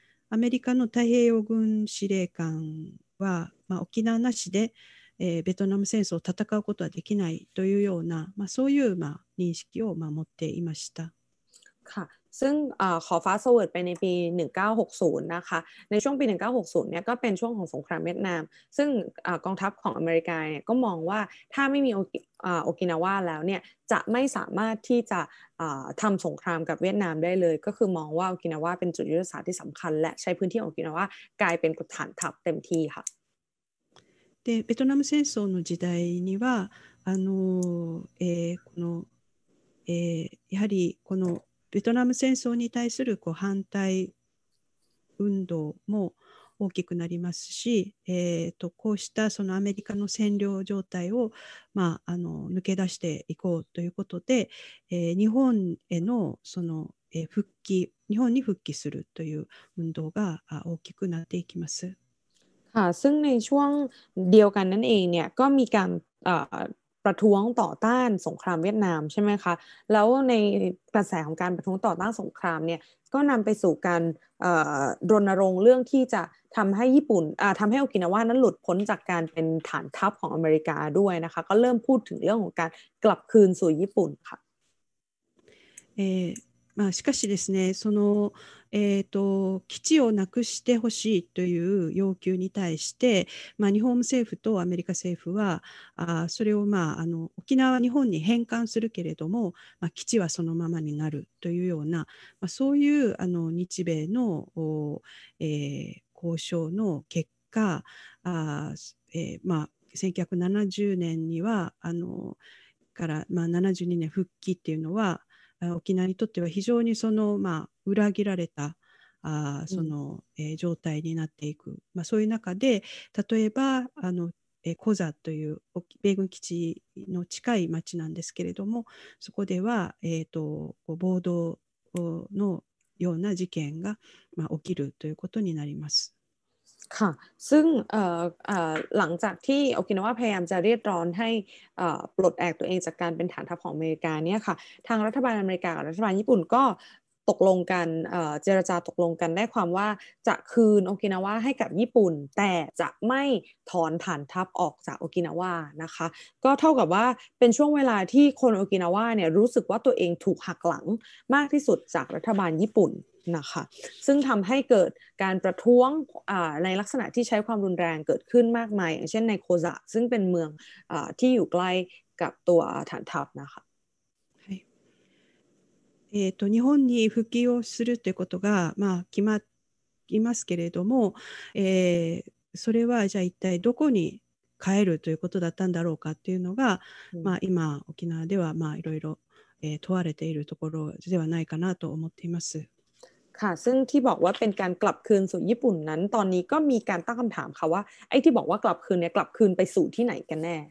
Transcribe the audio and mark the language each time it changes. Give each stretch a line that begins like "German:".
Japanese: アメリカの太平洋軍司令官は、沖縄なしで、ベトナム戦争を戦うことはできないというような、そういう、認識を、持っていました。
Thai: ค่ะซึ่งขอฟาสต์เวิร์ดไปในปี1960นะคะในช่วงปี1960เนี่ยก็เป็นช่วงของสงครามเวียดนามซึ่งกองทัพของอเมริกาเนี่ยก็มองว่าถ้าไม่มีโอกินาวาแล้วเนี่ยจะไม่สามารถที่จะทำสงครามกับเวียดนามได้เลยก็คือมองว่าโอกินาวาเป็นจุดยุทธศาสตร์ที่สำคัญและใช้พื้นที่โอกินาวากลายเป็นฐานทัพเต็มที่ค่ะ
Japanese: でベトナム戦争の時代にはこの、やはりこのベトナム戦争に対するこう反対運動も大きくなりますし、こうしたそのアメリカの占領状態を、抜け出していこうということで、日本への、その、復帰、日本に復帰するという運動が大きくなっていきます。
Thai: ค่ะ、ซึ่งในช่วงเดียวกันนั่นเองเนี่ย、ก็มีการ ประท้วงต่อต้านสงครามเวียดนามใช่ไหมคะแล้วในกระแสของการประท้วงต่อต้านสงครามเนี่ยก็นำไปสู่การรณรงค์เรื่องที่จะทำให้ญี่ปุ่นทำให้โอกินาวานั้นหลุดพ้นจากการเป็นฐานทัพของอเมริกาด้วยนะคะก็เริ่มพูดถึงเรื่องของการกลับคืนสู่ญี่ปุ่นค่ะ
Japanese: まあ、しかしですね、その、基地をなくしてほしいという要求に対して、まあ、日本政府とアメリカ政府は、それを、まあ、沖縄は日本に返還するけれども、まあ、基地はそのままになるというような、まあ、そういう日米の、交渉の結果、まあ、1970年にはから、まあ、72年復帰っていうのは、沖縄にとっては非常にその、まあ、裏切られたその、うん状態になっていく、まあ、そういう中で例えばコザという米軍基地の近い町なんですけれどもそこでは、暴動のような事件が、まあ、起きるということになります
Thai: ค่ะซึ่งหลังจากที่โอกินาวาพยายามจะเรียกร้องให้ปลดแอกตัวเองจากการเป็นฐานทัพของอเมริกาเนี่ยค่ะทางรัฐบาลอเมริกากับรัฐบาลญี่ปุ่นก็ ตกลงกันเจรจาตกลงกันได้ความว่าจะคืนโอกินาวาให้กับญี่ปุ่นแต่จะไม่ถอนฐานทัพออกจากโอกินาวานะคะก็เท่ากับว่าเป็นช่วงเวลาที่คนโอกินาวาเนี่ยรู้สึกว่าตัวเองถูกหักหลังมากที่สุดจากรัฐบาลญี่ปุ่นนะคะซึ่งทำให้เกิดการประท้วงในลักษณะที่ใช้ความรุนแรงเกิดขึ้นมากมายอย่างเช่นในโคซะซึ่งเป็นเมืองที่อยู่ใกล้กับตัวฐานทัพนะคะ
Japanese: 日本に復帰をするということが、まあ、決まりますけれども、それはじゃあ一体どこに帰るということだったんだろうかっていうのが、まあ、今沖縄ではまあいろいろ問われているところではないかなと思っています
Thai: ค่ะซึ่งที่บอกว่าเป็นการกลับคืนสู่ญี่ปุ่นนั้นตอนนี้ก็มีการตั้งคำถามค่ะว่าไอ้ที่บอกว่ากลับคืนเนี่ยกลับคืนไปสู่ที่ไหนกันแน